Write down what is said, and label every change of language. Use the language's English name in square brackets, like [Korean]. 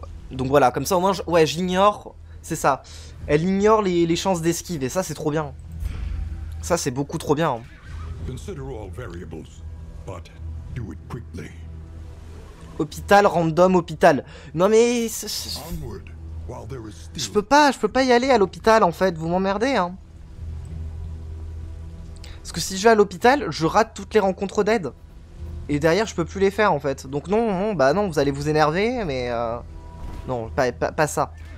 [French] Donc voilà, comme ça au moins, j'ignore... C'est ça. Elle ignore les chances d'esquive, et ça, c'est trop bien. Ça, c'est beaucoup trop bien. [English] Consider all variables, but do it quickly. [French] Hôpital, random hôpital. Non mais... Onward. Je peux pas y aller à l'hôpital en fait, vous m'emmerdez hein. Parce que si je vais à l'hôpital, je rate toutes les rencontres d'aide. Et derrière, je peux plus les faire en fait. Donc non, vous allez vous énerver, mais non, pas ça.